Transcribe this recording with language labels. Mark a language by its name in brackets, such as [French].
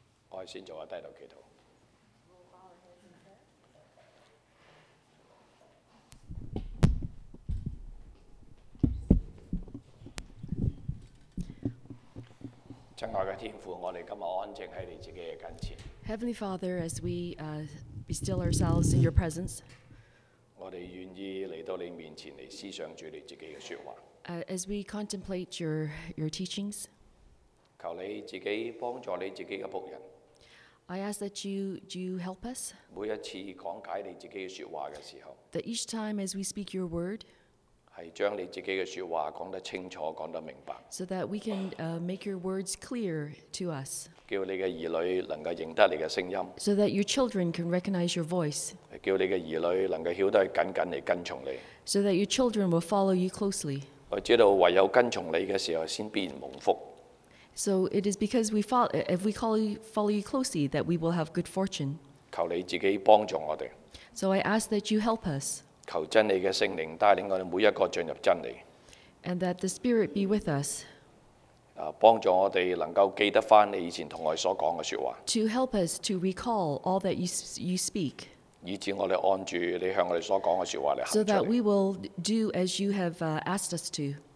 [Chinese] 我先做下低頭祈禱。親愛的天父，我們今天安靜在你自己的近前。 [English] Heavenly Father, as we bestill ourselves in your presence, [Chinese] 我們願意來到你面前來思想著你自己的說話。 [English] As we contemplate your teachings, [Chinese] 求你自己幫助你自己的仆人。 [English] I ask that you help us, [Chinese] 每一次講解你自己的說話的時候， [English] that each time as we speak your word, [Chinese] 是將你自己的說話講得清楚，講得明白。 [English] So that we can make your words clear to us. [Chinese] 叫你的兒女能夠認得你的聲音。 [English] So that your children can recognize your voice. [Chinese] 叫你的兒女能夠曉得緊緊地跟從你。 [English] So that your children will follow you closely. [Chinese] 我知道唯有跟從你的時候先必然蒙福。 [English] So it is because if we follow you closely that we will have good fortune. [Chinese] 求你自己幫助我們。 [English] So I ask that you help us. [Chinese] 求真理的圣灵带领我们每一个进入真理。 [English] And that the Spirit be with us. [Chinese] 帮助我们能够记得回你以前跟我们所说的说话。 [English] To help us to recall all that you speak. [Chinese] 以致我们按住你向我们所说的说话来行出 [English] 来。So that we will do as you have asked us to.